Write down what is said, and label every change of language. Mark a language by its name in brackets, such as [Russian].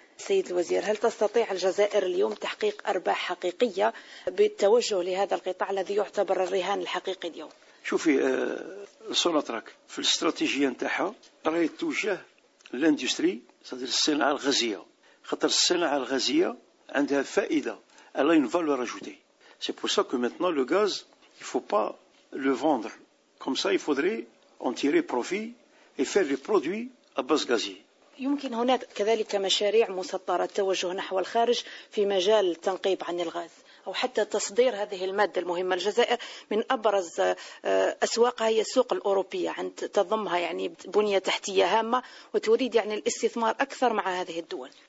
[Arabic] سيد الوزير هل تستطيع الجزائر اليوم تحقيق أرباح حقيقية بالتوجه لهذا القطاع الذي يعتبر الرهان الحقيقي اليوم؟ شوفي سوناطراك في الاستراتيجية نتاعها راهي توجه للاندستري صدر الصناعة الغازية خطر الصناعة الغازية عندها فائدة [French] elle a une valeur ajoutée. C'est pour ça que maintenant, le gaz, il ne faut pas le vendre. Comme ça, il faudrait en tirer profit et faire les produits à base gazier. [Arabic] يمكن هناك كذلك مشاريع مسطرة التوجه نحو الخارج في مجال التنقيب عن الغاز أو حتى تصدير هذه المادة المهمة. الجزائر من أبرز أسواقها هي السوق الأوروبية عند تضمها يعني بنية تحتية هامة وتريد يعني الاستثمار أكثر مع هذه الدول.